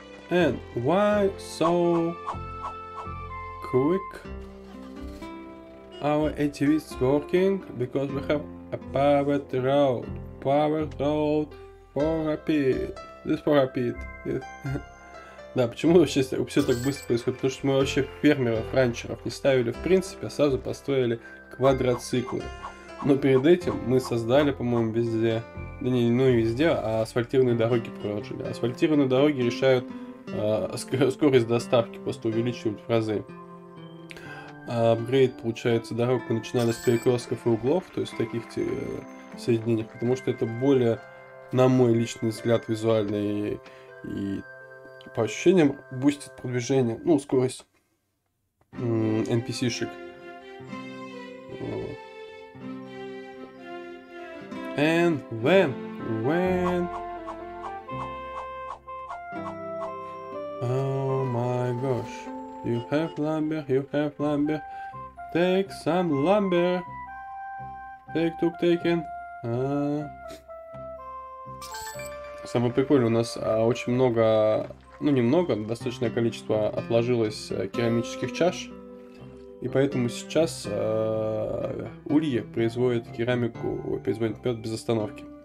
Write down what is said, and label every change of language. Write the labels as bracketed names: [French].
[English] And why so quick our ATV is working? Because we have a private road for rapid. This for rapid. [Russian] Да, почему вообще все так быстро происходит? Потому что мы вообще фермеров, ранчеров не ставили в принципе, а сразу построили квадроциклы. Но перед этим мы создали, по-моему, везде, да не, ну не везде, а асфальтированные дороги проложили. Асфальтированные дороги решают скорость доставки, просто увеличивают в разы. Апгрейд, получается, дорог мы начинали с перекрестков и углов, то есть таких соединений, потому что это более, на мой личный взгляд, визуально и по ощущениям, бустит продвижение, ну, скорость NPC-шек. [English] And when... Oh my gosh, you have lumber, take some lumber, taken. [Russian] Самое прикольное, у нас очень много, ну немного, достаточное количество отложилось керамических чаш, и поэтому сейчас ульи производят керамику, производят мед без остановки.